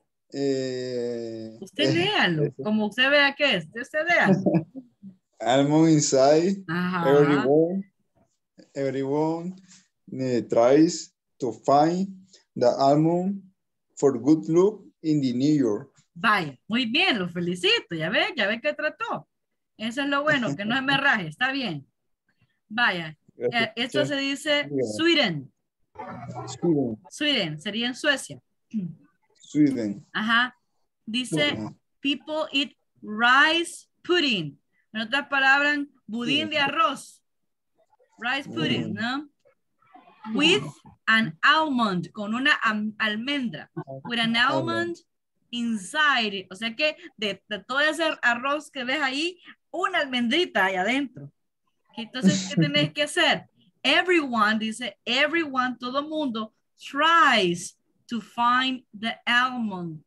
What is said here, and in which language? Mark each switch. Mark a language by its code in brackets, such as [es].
[es] usted léalo, como usted vea que es, usted léalo. [en] Almond inside, uh-huh. Everyone tries to find the almond for good luck in the New York. [es] Vaya, muy bien, lo felicito, ya ve que trató. Eso es lo bueno, que no se me raje, está bien. Vaya, esto se dice Sweden. [en] Sweden, [es] sería en Suecia. [en] Sweden. [es] Ajá, dice [en] people eat rice pudding. [es] En otras palabras, budín de arroz. [en] Rice pudding, [es] ¿no? [en] With an almond, [es] con una almendra. [en] With an almond inside. [es] O sea que de todo ese arroz que ves ahí, una almendrita ahí adentro. Entonces, ¿qué tenés que hacer? [en] Everyone, dice, everyone, [es] todo mundo, [en] tries to find the almond.